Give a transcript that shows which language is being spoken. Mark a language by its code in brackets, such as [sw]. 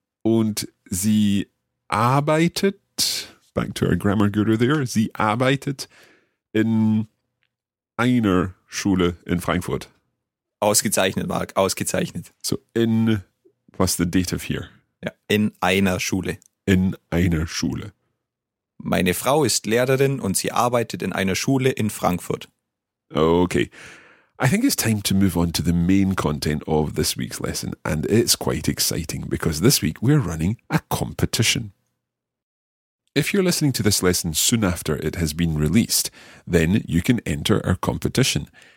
[de] Und sie arbeitet, [en] back to our grammar guru there, [de] sie arbeitet in einer Schule in Frankfurt. Ausgezeichnet, Marc, ausgezeichnet. [en] So in, what's the dative here? [de] Ja, in einer Schule. In einer Schule. Meine Frau ist Lehrerin und sie arbeitet in einer Schule in Frankfurt. [en] Okay, I think it's time to move on to the main content of this week's lesson. And it's quite exciting because this week we're running a competition. If you're listening to this lesson soon after it has been released, then you can enter our competition.